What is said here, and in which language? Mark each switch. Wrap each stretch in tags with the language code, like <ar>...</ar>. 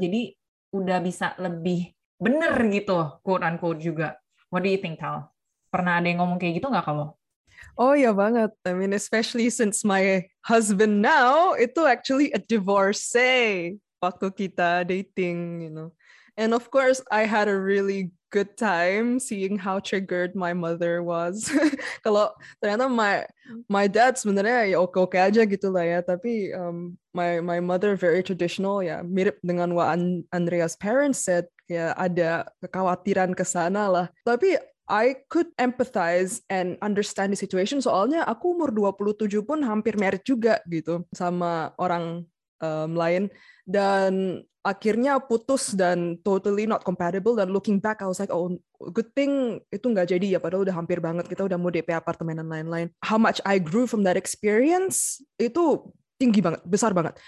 <id>Jadi udah bisa lebih bener gitu quote unquote juga.</id> <en>What do you think,</en> <id>Tal? Pernah ada yang ngomong kayak gitu gak kalau? Oh iya banget.</id> <en>I mean, especially since my husband now, itu actually a divorcee</en> <id>waktu kita</id> <en>dating, you know. And of course, I had a really good time seeing how triggered my mother was.</en> <id>Kalau ternyata</id> <en>my dad</en> <id>sebenarnya ya oke-oke aja gitu lah ya. Tapi</id> <en>my mother very traditional</en> <id>ya. Mirip dengan</id> <en>what Andrea's parents said.</en> <id>Ya ada kekhawatiran kesana lah.</id> <en>Tapi I could empathize and understand the situation.</en> <id>Soalnya aku umur 27 pun hampir married juga gitu. Sama orang lain. Dan akhirnya putus dan</id> <en>totally not compatible.</en> <id>Dan</id> <en>looking back, I was like, oh, good thing</en> <id>itu nggak jadi ya. Padahal udah hampir banget. Kita udah mau DP apartemen dan lain-lain.</id> <en>How much I grew from that experience,</en> <id>itu tinggi banget, besar banget.</id>